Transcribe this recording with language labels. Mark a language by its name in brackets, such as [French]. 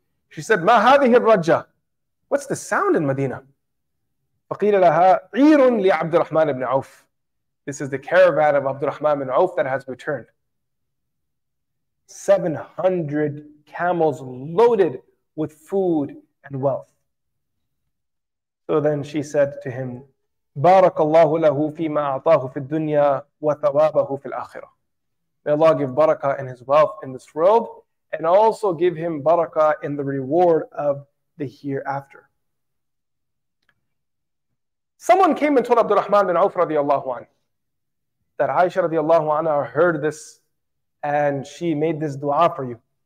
[English] She said, [Arabic] "Ma hadhihi ar-rajja? [English] What's the sound in Medina?" [Arabic] فَقِيلَ لَهَا عِيرٌ لِعَبْدِ الرَّحْمَنِ بْنِ عَوْفِ. [English] This is the caravan of Abdur Rahman ibn Auf that has returned. 700 camels loaded with food and wealth. So then she said to him, [Arabic] بَارَكَ اللَّهُ لَهُ فِي مَا أَعْطَاهُ فِي الدُّنْيَا وَثَوَابَهُ فِي الْآخِرَةِ. [English] May Allah give barakah in his wealth in this world, and also give him barakah in the reward of the hereafter. Someone came and told Abdur Rahman ibn Auf radiallahu anhu that Aisha radiallahu anha heard this and she made this dua for you.